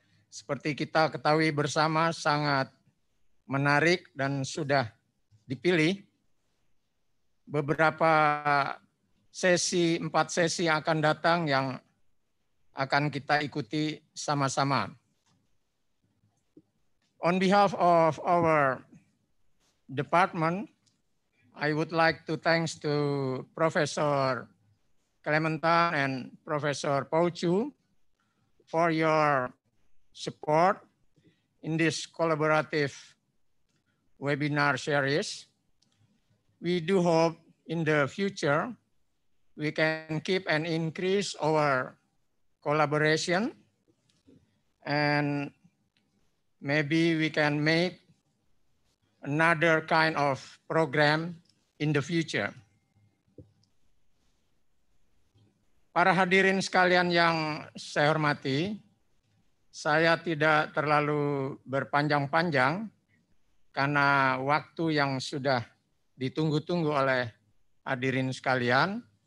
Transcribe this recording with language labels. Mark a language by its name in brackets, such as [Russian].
[Indonesian] seperti kita ketahui bersama sangat menarik dan sudah dipilih. Beberapa sesi, 4 sesi yang akan datang yang akan kita ikuti sama-sama. [English] On behalf of our department, I would like to thanks to Professor Clementine and Professor Pouchu for your support in this collaborative webinar series. We do hope in the future we can keep and increase our collaboration, and maybe we can make another kind of program in the future. [Indonesian] Para hadirin sekalian yang saya hormati, saya tidak terlalu berpanjang-panjang karena waktu yang sudah ditunggu-tunggu oleh hadirin sekalian.